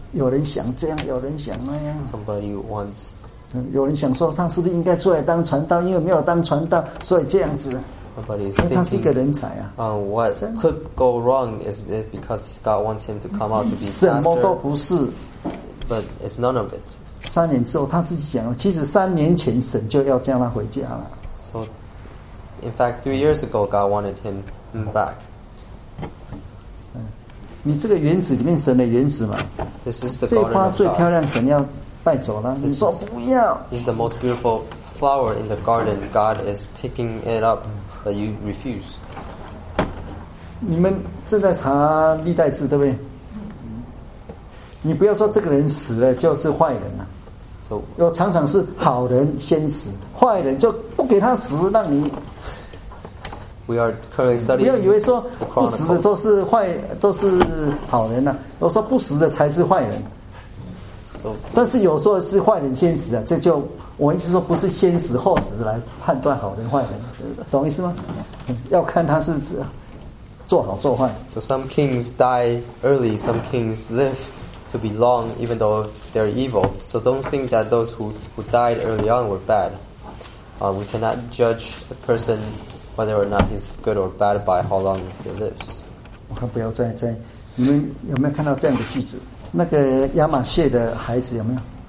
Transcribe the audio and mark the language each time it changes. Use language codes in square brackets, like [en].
[zh] 有人想这样，有人想那样。 [en] Somebody wants. [zh] 有人想说他是不是应该出来当传道，因为没有当传道，所以这样子。 [en] Nobody is thinking. [zh] 他是一个人才啊。 [en] What could go wrong is it because God wants him to come out to be pastor? [zh] 什么都不是。 [en] But it's none of it. [zh] 三年之后，他自己讲了，其实三年前神就要叫他回家了。 [en] So, in fact, 3 years ago, God wanted him back. [zh] 你这个园子里面神的园子嘛。 [en] This is the garden of God. [zh] 这花最漂亮，神要带走了。你说不要。 [en] This is the most beautiful flower in the garden. God is picking it up, but you refuse. [zh] 你们正在查历代志，对不对？你不要说这个人死了就是坏人了、啊，所以有常常是好人先死，坏人就不给他死，让你。 [en] We are currently studying. [zh] 不要以为说不死的都是坏，都是好人了、啊。我说不死的才是坏人。 [en] So, [zh] 但是有时候是坏人先死啊，这就我意思说不是先死后死来判断好人坏人，懂意思吗？要看他是做好做坏。 [en] So some kings die early, some kings live. To be long, even though they're evil. So don't think that those who died early on were bad. We cannot judge a person whether or not he's good or bad by how long he lives. [zh] 我看不要再在，你们有没有看到这样的句子？那个亚玛谢的孩子有没有？